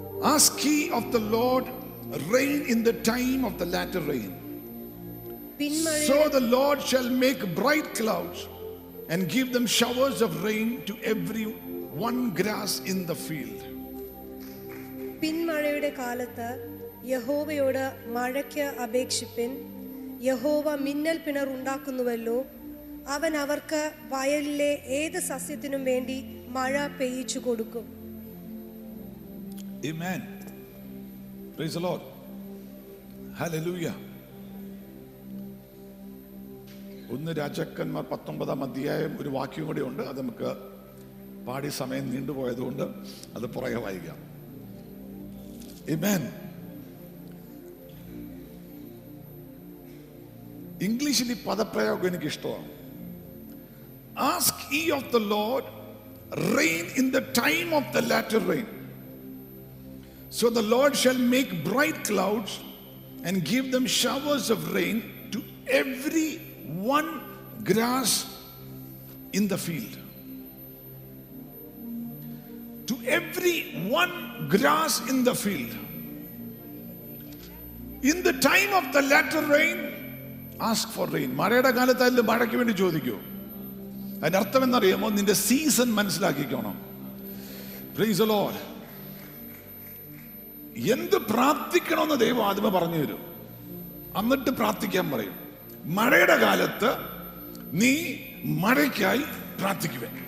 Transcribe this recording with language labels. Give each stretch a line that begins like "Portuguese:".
English: Ask ye of the Lord rain in the time of the latter rain. So the Lord shall make bright clouds and give them showers of rain to every one grass in the field.
Malayalam: പിൻമഴയുടെ കാലത്ത് യഹോവയോട് മഴയ്ക്ക് അപേക്ഷിപ്പിൻ. യഹോവ മിന്നൽ പിണർ ഉണ്ടാക്കുന്നുവല്ലോ, അവൻ അവർക്ക് വയലിലെ ഏത് സസ്യത്തിനും വേണ്ടി മഴ പെയ്യിച്ചു കൊടുക്കും.
English: Amen. Praise the Lord. Hallelujah.
Malayalam: 1 Rajakkanmar 19 ഒരു വാക്യം കൂടി ഉണ്ട്, അത് നമുക്ക് പാടി സമയം നീണ്ടുപോയതുകൊണ്ട് അത് പുറകെ വായിക്കാം. Amen. ഇംഗ്ലീഷിൽ ഈ പദപ്രയോഗം എനിക്ക് ഇഷ്ടമാണ്.
English: Ask ye of the Lord rain in the time of the latter rain. So the Lord shall make bright clouds and give them showers of rain to every one grass in the field. To every one grass in the field. In the time of the latter rain, ask for rain.
Malayalam: മഴയുടെ കാലത്തായാലും മഴയ്ക്ക് വേണ്ടി ചോദിക്കൂ. അതിന്റെ അർത്ഥം എന്നറിയാമോ? നിന്റെ season മനസ്സിലാക്കിക്കോണം.
English: Praise the lord.
Malayalam: എന്ത് പ്രാർത്ഥിക്കണമെന്ന് ദൈവം ആദ്യമേ പറഞ്ഞു തരും, എന്നിട്ട് പ്രാർത്ഥിക്കാൻ പറയും. മഴയുടെ കാലത്ത് നീ മഴയ്ക്കായി പ്രാർത്ഥിക്കുക.